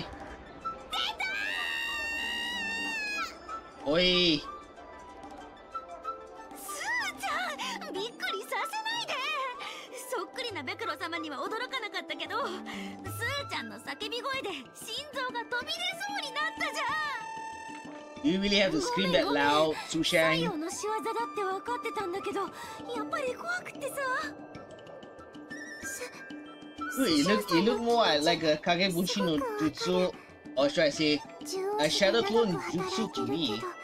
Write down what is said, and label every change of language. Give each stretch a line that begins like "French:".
Japanese: ー出たー。 おい、スーちゃん、びっくりさせないで。そっくりなベクロ様には驚かなかったけど、スーちゃんの叫び声で心臓が飛び出そうになったじゃん。
English: You really have to scream that loud, Sushang.
Japanese: 太陽の仕業だって分かってたんだけど、やっぱり怖くてさ。
English: You look more like a Kagebushi no jutsu, or should I say, a shadow clone jutsu to me.